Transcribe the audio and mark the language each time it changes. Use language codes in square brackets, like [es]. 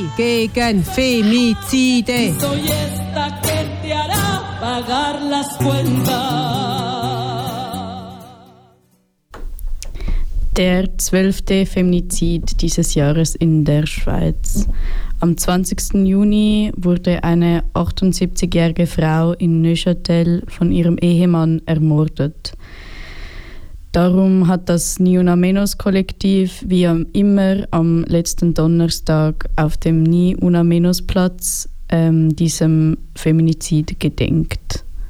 [de] Ein feministischer Schrei gegen Femizide. [es] Soy esta que te hará pagar las cuentas. [de] Der 12. Feminizid dieses Jahres in der Schweiz. Am 20. Juni wurde eine 78-jährige Frau in Neuchâtel von ihrem Ehemann ermordet. Darum hat das Ni Una Menos-Kollektiv wie immer am letzten Donnerstag auf dem Ni Una Menos-Platz diesem Feminizid gedenkt.